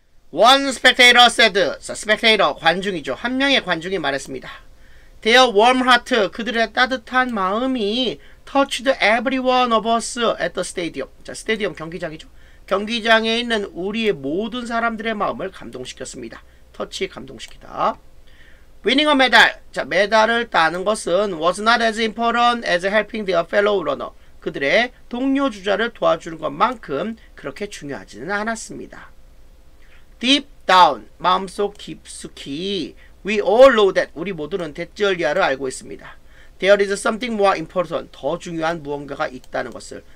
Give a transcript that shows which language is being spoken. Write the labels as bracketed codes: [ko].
[en] One spectator said. spectator, 관중이죠. [ko] 한 명의 관중이 말했습니다. [en] Their warm heart. [ko] 그들의 따뜻한 마음이 [en] touched every one of us at the stadium. [ko] 자, stadium, 경기장이죠. 경기장에 있는 우리의 모든 사람들의 마음을 감동시켰습니다. [en] 터치, 감동시키다. Winning a medal. 자, [ko] 메달을 따는 것은 [en] was not as important as helping their fellow runner. [ko] 그들의 동료 주자를 도와주는 것만큼 그렇게 중요하지는 않았습니다. [en] Deep down. [ko] 마음속 깊숙이. [en] We all know that. [ko] 우리 모두는 대절리아를 알고 있습니다. [en] There is something more important. [ko] 더 중요한 무언가가 있다는 것을.